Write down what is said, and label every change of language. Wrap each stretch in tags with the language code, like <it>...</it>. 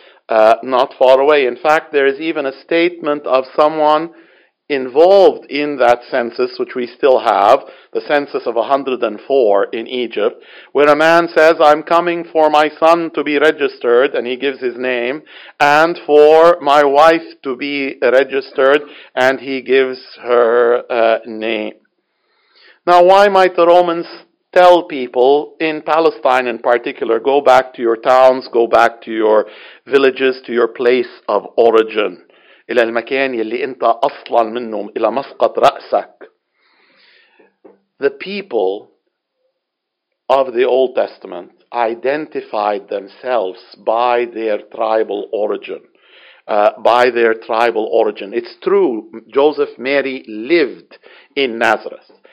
<en>In fact, there is even a statement of someone involved in that census, which we still have, the census of 104 in Egypt, where a man says, I'm coming for my son to be registered, and he gives his name, and for my wife to be registered, and he gives her name. Now, why might the Romans tell people, in Palestine in particular, go back to your towns, go back to your villages, to your place of origin?</en> <ar>إلى المكان اللي أنت أصلاً منهم إلى مسقط رأسك.</ar> <en>The people of the Old Testament identified themselves by their tribal origin. It's true, Joseph, Mary lived in Nazareth.</en>